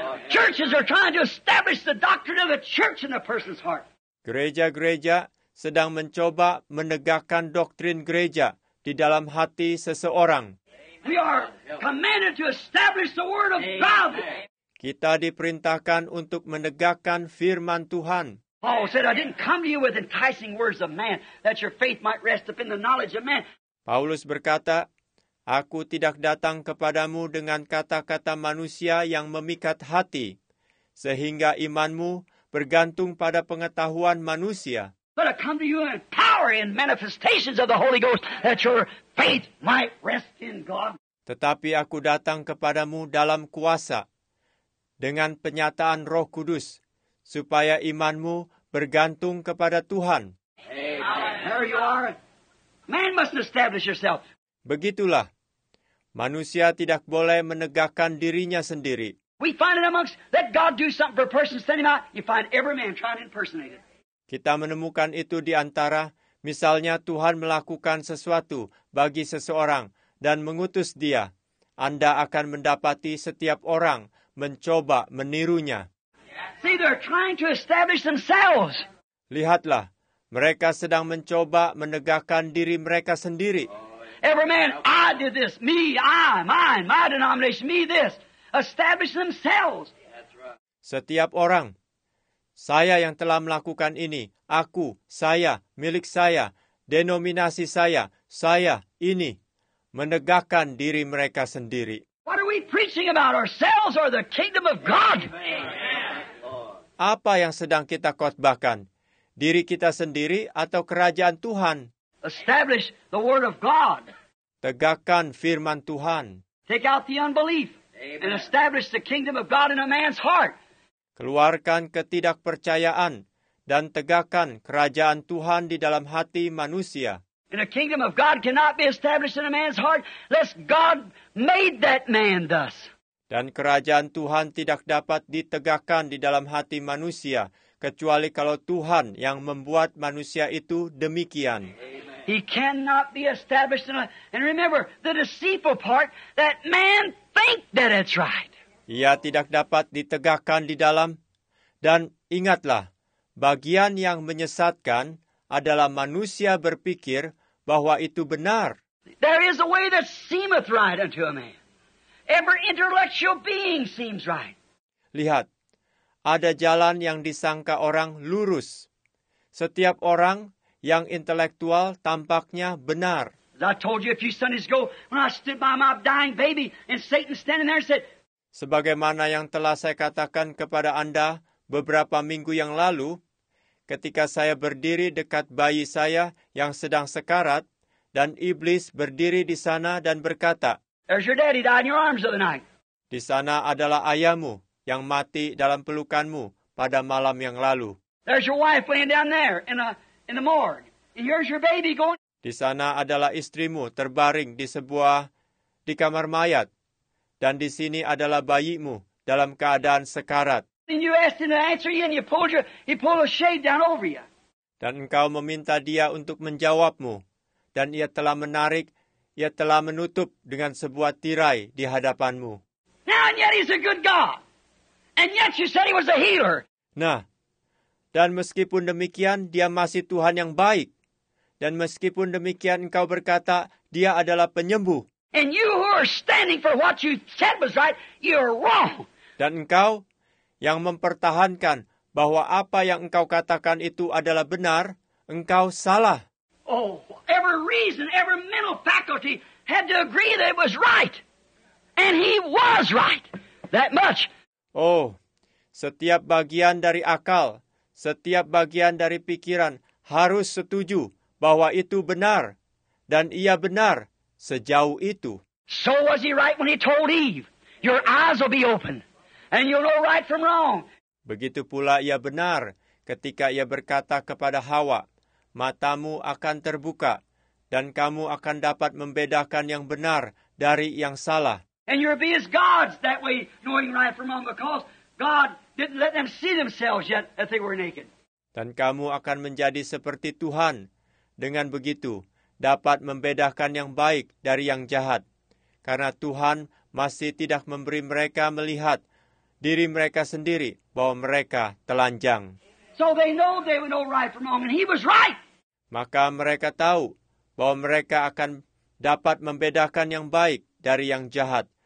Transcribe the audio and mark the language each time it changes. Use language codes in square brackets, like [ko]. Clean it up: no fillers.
[en] Churches are trying to establish the doctrine of the church in a person's heart. [id] Gereja-gereja sedang mencoba menegakkan doktrin gereja di dalam hati seseorang. [en] We are commanded to establish the word of God. [id] Kita diperintahkan untuk menegakkan firman Tuhan. [en] Paul said, "I didn't come to you with enticing words of man, that your faith might rest upon the knowledge of man." [id] Paulus berkata, "Aku tidak datang kepadamu dengan kata-kata manusia yang memikat hati, sehingga imanmu bergantung pada pengetahuan manusia." [en] But I come to you in power and manifestations of the Holy Ghost, that your faith might rest in God. [id] Tetapi aku datang kepadamu dalam kuasa, dengan penyataan Roh Kudus, supaya imanmu bergantung kepada Tuhan. [en] There you are. Man must establish yourself. [id] Begitulah. Manusia tidak boleh menegakkan dirinya sendiri. [en] We find it amongst that God do something for a person, send him out. You find every man trying to impersonate it. [id] Kita menemukan itu di antara, misalnya Tuhan melakukan sesuatu bagi seseorang dan mengutus dia. Anda akan mendapati setiap orang mencoba menirunya. [en] See, they're trying to establish themselves. [id] Lihatlah, mereka sedang mencoba menegakkan diri mereka sendiri. [en] Every man, I did this, me, I, mine, my denomination, me, this. Establish themselves. [id] Setiap orang, saya yang telah melakukan ini, aku, saya, milik saya, denominasi saya, ini, menegakkan diri mereka sendiri. [en] What are we preaching about, ourselves or the kingdom of God? [id] Apa yang sedang kita khotbahkan, diri kita sendiri atau kerajaan Tuhan? [en] Establish the word of God. [id] Tegakkan firman Tuhan. [en] Take out the unbelief. Amen. And establish the kingdom of God in a man's heart. [id] Keluarkan ketidakpercayaan dan tegakkan kerajaan Tuhan di dalam hati manusia. [en] And a kingdom of God cannot be established in a man's heart lest God made that man thus. [id] Dan kerajaan Tuhan tidak dapat ditegakkan di dalam hati manusia kecuali kalau Tuhan yang membuat manusia itu demikian. [en] He cannot be established in a, and remember the deceitful part that man think that it's right. [id] Ia tidak dapat ditegakkan di dalam, dan ingatlah, bagian yang menyesatkan adalah manusia berpikir bahwa itu benar. [en] There is a way that seemeth right unto a man. Every intellectual being seems right. [id] Lihat, ada jalan yang disangka orang lurus. Setiap orang yang intelektual tampaknya benar. [en] As I told you a few Sundays ago, when I stood by my dying baby, and Satan standing there said, [id] sebagaimana yang telah saya katakan kepada Anda beberapa minggu yang lalu, ketika saya berdiri dekat bayi saya yang sedang sekarat, dan iblis berdiri di sana dan berkata, [en] there's your daddy died in your arms of the night. [id] Di sana adalah ayahmu yang mati dalam pelukanmu pada malam yang lalu. [en] There's your wife laying down there in the morgue. And here's your baby going. [id] Di sana adalah istrimu terbaring di kamar mayat. Dan di sini adalah bayimu dalam keadaan sekarat. [en] And you asked him to answer you and he pulled a shade down over you. [id] Dan engkau meminta dia untuk menjawabmu. Dan ia telah menutup dengan sebuah tirai di hadapanmu. [en] Now and yet he's a good God. And yet you said he was a healer. [id] Nah, dan meskipun demikian dia masih Tuhan yang baik. Dan meskipun demikian engkau berkata dia adalah penyembuh. [en] And you who are standing for what you said was right, you're wrong. [id] Dan engkau yang mempertahankan bahwa apa yang engkau katakan itu adalah benar, engkau salah. [en] Oh, every reason, every mental faculty had to agree that it was right. And he was right. That much. [id] Oh, setiap bagian dari akal, setiap bagian dari pikiran harus setuju bahwa itu benar, dan ia benar sejauh itu. [en] So was he right when he told Eve, your eyes will be open, and you'll know right from wrong. [id] Begitu pula ia benar ketika ia berkata kepada Hawa, matamu akan terbuka, dan kamu akan dapat membedakan yang benar dari yang salah. [en] And you'll be as gods that way, knowing right from wrong, because God didn't let them see themselves yet that they were naked. [id] Dan kamu akan menjadi seperti Tuhan. Dengan begitu, dapat membedakan yang baik dari yang jahat. Karena Tuhan masih tidak memberi mereka melihat diri mereka sendiri bahwa mereka telanjang. [en] So they know they would know right from wrong, and he was right. [id] Maka mereka tahu bahwa mereka akan dapat membedakan yang baik dari yang jahat.